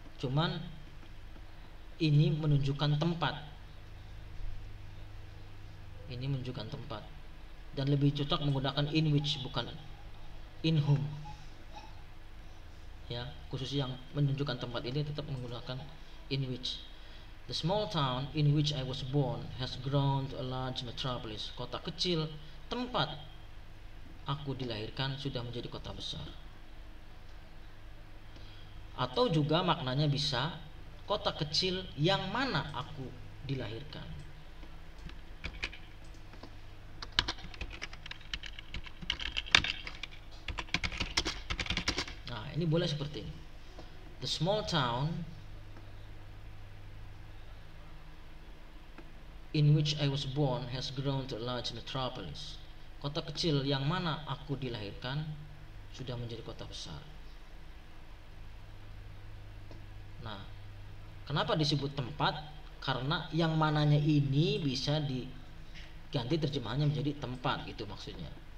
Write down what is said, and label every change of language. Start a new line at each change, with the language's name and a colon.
Indonesian: Cuman ini menunjukkan tempat. Ini menunjukkan tempat. Dan lebih cocok menggunakan in which, bukan in whom. Ya, khusus yang menunjukkan tempat ini tetap menggunakan in which.
English: The small town in which I was born has grown to a large metropolis.
Indonesian: Kota kecil tempat aku dilahirkan sudah menjadi kota besar. Atau juga maknanya bisa kota kecil yang mana aku dilahirkan. Nah, ini boleh seperti ini.
English: The small town in which I was born has grown to a large metropolis.
Indonesian: Kota kecil yang mana aku dilahirkan sudah menjadi kota besar. Nah, kenapa disebut tempat? Karena yang mananya ini bisa diganti terjemahannya menjadi tempat, gitu maksudnya.